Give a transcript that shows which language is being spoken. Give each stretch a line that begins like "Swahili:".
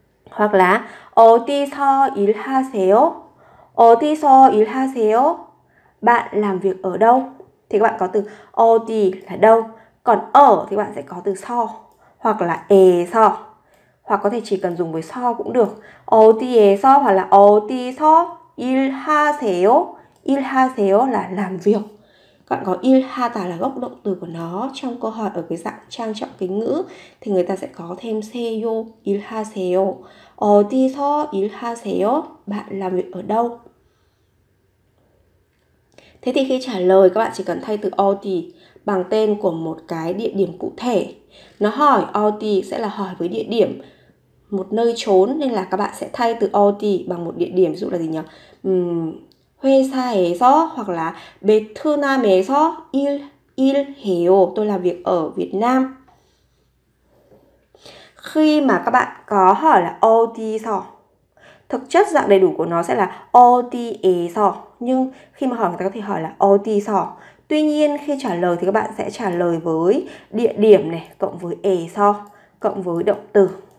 Vietnamese: Hoặc là
Korean: 어디서 일하세요? 어디서 일하세요?
Vietnamese: Bạn làm việc ở đâu? Thì các bạn có từ 어디 là đâu. Còn ở thì bạn sẽ có từ 서 hoặc là 에서. Hoặc có thể chỉ cần dùng với 서 cũng được.
Korean: 어디에서
Vietnamese: hoặc là
Korean: 어디서 일하세요.
Vietnamese: 일하세요 là làm việc. Các bạn có 일하다 là gốc động từ của nó. Trong câu hỏi ở cái dạng trang trọng kính ngữ thì người ta sẽ có thêm 세요.
Korean: 일하세요. 어디서 일하세요?
Vietnamese: Bạn làm việc ở đâu? Thế thì khi trả lời các bạn chỉ cần thay từ 어디 bằng tên của một cái địa điểm cụ thể. Nó hỏi 어디 sẽ là hỏi với địa điểm một nơi chốn, nên là các bạn sẽ thay từ 어디 bằng một địa điểm, ví dụ là gì nhỉ?
Korean: 회사에서
Vietnamese: hoặc là
Korean: 베트남에서 일해요.
Vietnamese: Tôi làm việc ở Việt Nam. Khi mà các bạn có hỏi là 어디서, thực chất dạng đầy đủ của nó sẽ là 어디에서. Nhưng khi mà hỏi người ta có thể hỏi là 어디서. Tuy nhiên khi trả lời thì các bạn sẽ trả lời với địa điểm này cộng với 에서 cộng với động từ.